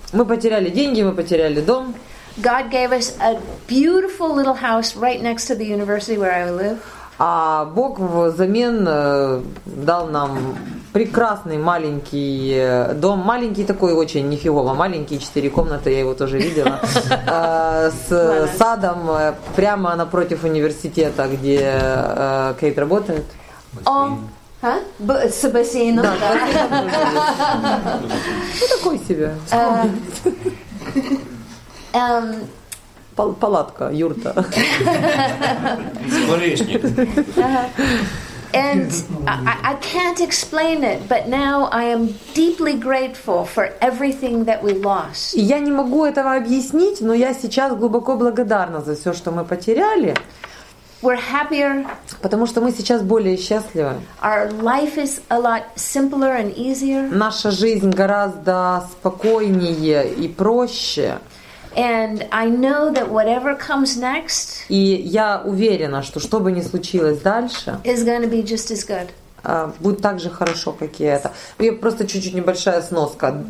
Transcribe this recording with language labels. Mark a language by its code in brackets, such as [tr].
[ru] Мы потеряли деньги, мы потеряли дом. [en] God gave us a beautiful little house right next to the university where I live. [ru] А Бог взамен дал нам прекрасный маленький дом, маленький такой очень нифигово, маленький, 4 комнаты, я его тоже видела, с садом прямо напротив университета, где Кейт работает. С бассейном, да. Ну такой себе. Палатка, юрта. [en] And I can't explain it, but now I am deeply grateful for everything that we lost. [ru] Я не могу этого объяснить, но я сейчас глубоко благодарна за все, что мы потеряли. [en] We're happier. [ru] Потому что мы сейчас более счастливы. [en] Our life is a lot simpler and easier. [ru] Наша жизнь гораздо спокойнее и проще. [en] And I know that whatever comes next. [ru] И я уверена, что бы ни случилось дальше. [en] Is going to be just as good. [ru] Будет так же хорошо, как и это. И просто чуть-чуть небольшая сноска.